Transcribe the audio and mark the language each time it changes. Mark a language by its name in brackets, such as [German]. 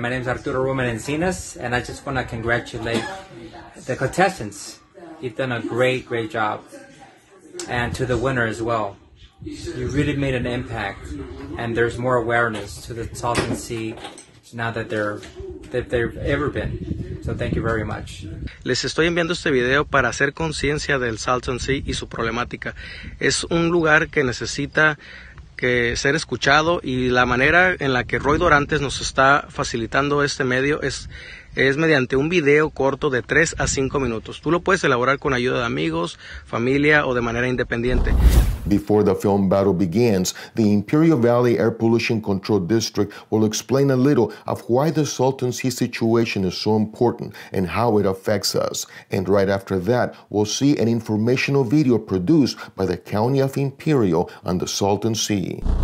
[English] My name is Arturo Roman Encinas, and I just want to congratulate the contestants. You've done a great, great job. And to the winner as well. You really made an impact, and there's more awareness to the Salton Sea now that they've ever been. So thank you very much. [Spanish] Les estoy enviando este video para hacer conciencia del Salton Sea y su problemática. Es un lugar que necesita que ser escuchado, y la manera en la que Roy Durantes nos está facilitando este medio es mediante un video corto de 3 a 5 minutos. Tú lo puedes elaborar con ayuda de amigos, familia, o de manera independiente. [English] Before the film battle begins, the Imperial Valley Air Pollution Control District will explain a little of why the Salton Sea situation is so important and how it affects us. And right after that, we'll see an informational video produced by the County of Imperial on the Salton Sea.